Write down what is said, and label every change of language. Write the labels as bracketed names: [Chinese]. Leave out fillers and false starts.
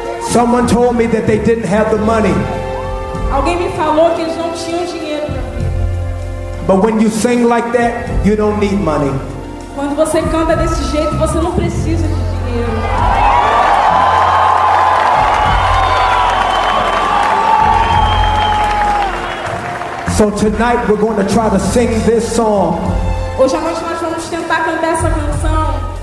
[English] Someone told me that they didn't have the money. [Portuguese] Alguém me falou que eles não tinham dinheiro. [English] But when you sing like that, you don't need money. [Portuguese] Quando você canta desse jeito, você não precisa de dinheiro. [English] So tonight we're going to try to sing this song. [Portuguese] Hoje à noite nós vamos tentar cantar essa canção.